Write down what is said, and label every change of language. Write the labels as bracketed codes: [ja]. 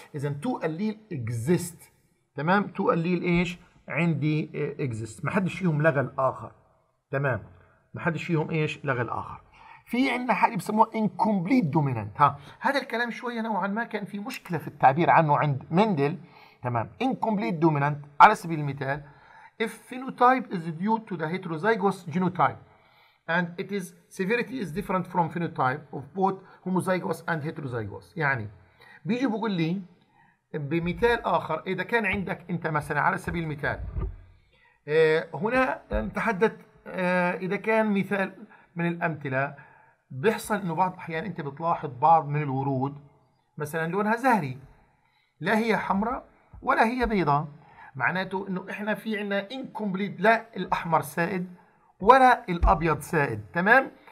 [ar] اذا تو الليل اكزيست تمام، تو الليل ايش عندي اكزيست، ما حدش فيهم لغى الاخر تمام، ما حدش فيهم ايش لغى الاخر. في عندنا حاجه بسموها انكومبليت دوميننت. ها هذا الكلام شويه نوعا ما كان في مشكله في التعبير عنه عند مندل تمام. [en] incomplete dominant [ar] على سبيل المثال [en] if phenotype is due to the heterozygous genotype and it is severity is different from phenotype of both homozygous and heterozygous. [ar] يعني بيجي بقول لي بمثال آخر إذا كان عندك أنت مثلا على سبيل المثال هنا تحدث إذا كان مثال من الأمثلة بيحصل إنه بعض أحيان أنت بتلاحظ بعض من الورود مثلا لونها زهري، لا هي حمراء ولا هي بيضاء، معناته انه احنا في عنا انكمبليت، لا الاحمر سائد ولا الابيض سائد تمام.